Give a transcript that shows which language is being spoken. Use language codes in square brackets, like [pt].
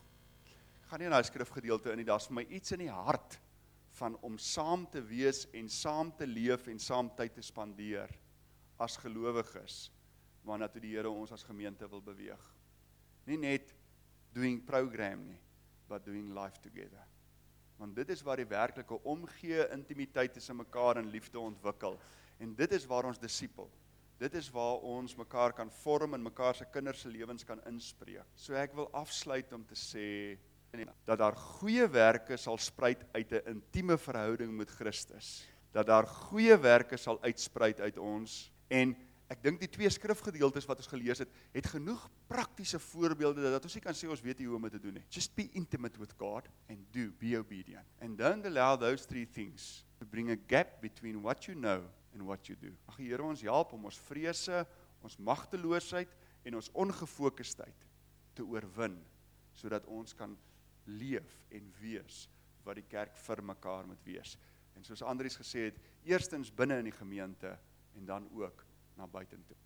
[af] Ek gaan nie in daai skrifgedeelte in nie, daar's vir my iets in die hart van om saam te wees en saam te leef en saam tyd te spandeer as gelowiges, waarna toe die Here ons as gemeente wil beweeg. Nie net [en] doing program [af] nie, [en] but doing life together. [af] Want dit is waar die werklike omgee intimiteit tussen mekaar en liefde ontwikkel. En dit is waar ons disipel. Dit is waar ons mekaar kan vorm en mekaar se kinders se lewens kan inspreek. So ek wil afsluit om te sê, dat daar goeie werke sal spruit uit 'n intieme verhouding met Christus. Dat daar goeie werke sal uitspruit uit ons. En ek dink die twee skrifgedeeltes wat ons gelees het, het genoeg praktiese voorbeelde dat ons nie kan sê ons weet nie hoe om dit te doen nie. [en] Just be intimate with God and do, be obedient. And don't allow those three things to bring a gap between what you know and what you do. [af] Mag die Here ons help om ons vrese, ons magteloosheid en ons ongefokustheid te oorwin, sodat ons kan leef en wees wat die kerk vir mekaar moet wees. En soos Andries gesê het, eerstens binne in die gemeente en dan ook na buitentoe.